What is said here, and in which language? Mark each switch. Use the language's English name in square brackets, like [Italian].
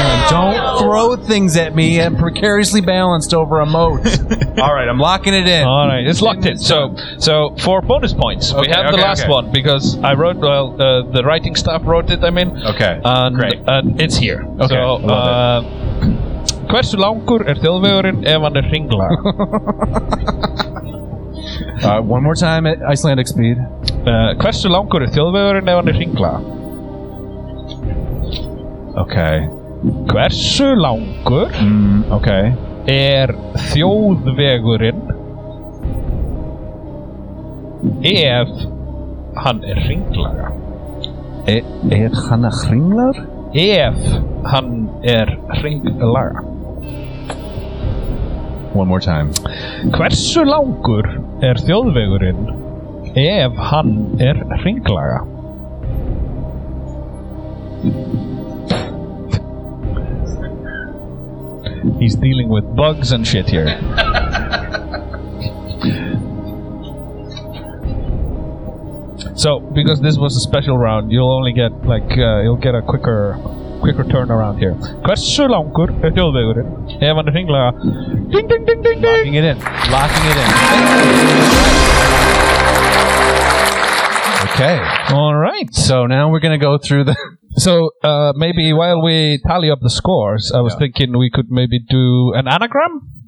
[English] Don't throw things at me. I'm precariously balanced over a moat. All right, I'm locking it in. All right, it's locked in. So for bonus points, we have the last one because I wrote, the writing staff wrote it, I mean. Okay, and, great. And it's here. Okay, [Icelandic] so, hversu langur er þjóðvegurinn ef hann er hringlaga? [English] One more time at Icelandic speed. [Icelandic] Hversu langur er þjóðvegurinn ef hann er hringlaga? [English] Okay. [Icelandic] Hversu langur [English] okay. [Icelandic] er þjóðvegurinn ef hann er hringlaga? Er hann hringlar? Ef hann er hringlaga. [English] One more time. [Icelandic] Hversu langur er þjóðvegurinn ef hann er hringlaga? [English] He's dealing with bugs and shit here. So, because this was a special round, you'll only get, like, you'll get a quicker turnaround here. [Icelandic] Hversu langur er þjóðvegurinn ef hann er hringlaga? [English] Ding, ding, ding, ding, ding! Locking it in. Locking it in. Okay. All right. So now we're going to go through the... So maybe while we tally up the scores, I was thinking we could maybe do an anagram.